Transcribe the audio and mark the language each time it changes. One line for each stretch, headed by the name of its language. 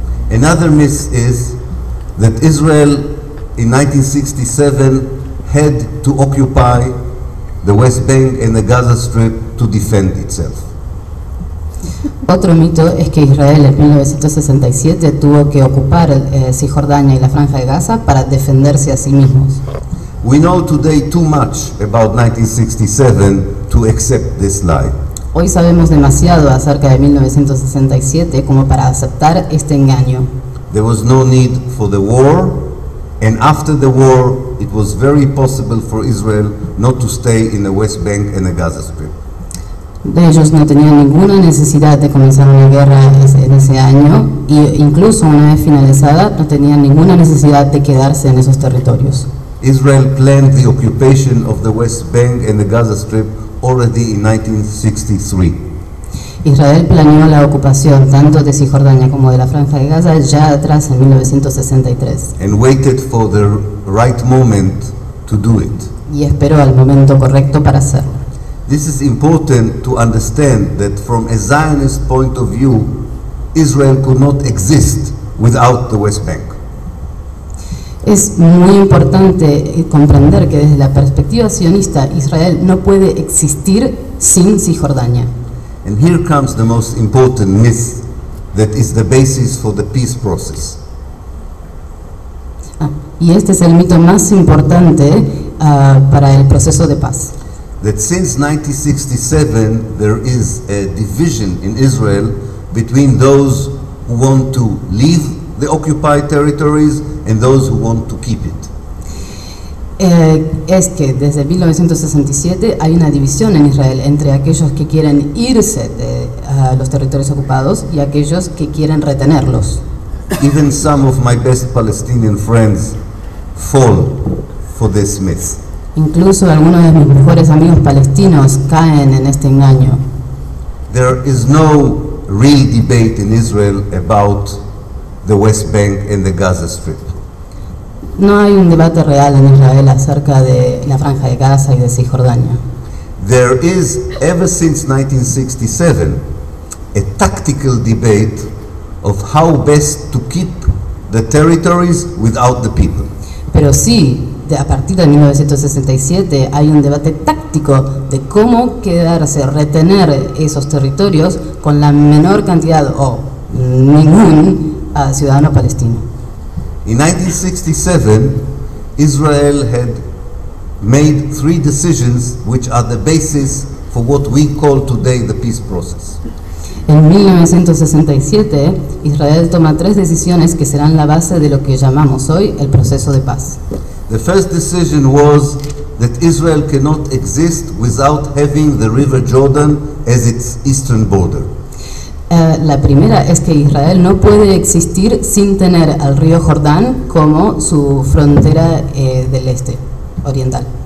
English: Another myth is that Israel in 1967 had to occupy the West Bank and the Gaza Strip to defend itself.
Spanish: Otro mito es que Israel en 1967 tuvo que ocupar Cisjordania y la Franja de Gaza para defenderse a sí mismos.
English: We know today too much about 1967 to accept this lie.
Spanish: Hoy sabemos demasiado acerca de 1967 como para aceptar este engaño.
English: There was no need for the war, and after the war, it was very possible for Israel not to stay in the West Bank and the Gaza Strip.
Spanish: Ellos no tenían ninguna necesidad de comenzar una guerra en ese año, y incluso una vez finalizada, no tenían ninguna necesidad de quedarse en esos territorios.
English: Israel planned the occupation of the West Bank and the Gaza Strip already in 1963.
Spanish: Israel planeó la ocupación tanto de Cisjordania como de la Franja de Gaza ya atrás en 1963.
English: And waited for the right moment to do it.
Spanish: Y esperó al momento correcto para hacerlo.
English: This is important to understand that from a Zionist point of view, Israel could not exist without the West Bank.
Spanish: Es muy importante comprender que desde la perspectiva sionista, Israel no puede existir sin Cisjordania.
English: And here comes the most important myth that is the basis for the peace process.
Spanish: Y este es el mito más importante para el proceso de paz.
English: That since 1967 there is a division in Israel between those who want to leave the occupied territories and those who want to keep it.
Spanish: Es que desde 1967 hay una división en Israel entre aquellos que quieren irse de los territorios ocupados y aquellos que quieren retenerlos.
English: Even some of my best Palestinian friends fall for this myth.
Spanish: Incluso algunos de mis mejores amigos palestinos caen en este engaño.
English: There is no real debate in Israel about the West Bank and the Gaza Strip.
Spanish: No hay un debate real en Israel acerca de la Franja de Gaza y de Cisjordania.
English: There is, ever since 1967, a tactical debate of how best to keep the territories without the people.
Spanish: Pero sí, a partir de 1967 hay un debate táctico de cómo quedarse, retener esos territorios con la menor cantidad o ningún ciudadano palestino.
English: In 1967, Israel had made three decisions which are the basis for what we call today the peace process.
Spanish: En 1967, Israel toma tres decisiones que serán la base de lo que llamamos hoy el proceso de paz.
English: The first decision was that Israel cannot exist without having the River Jordan as its eastern border.
Spanish: La primera es que Israel no puede existir sin tener al río Jordán como su frontera del este, oriental.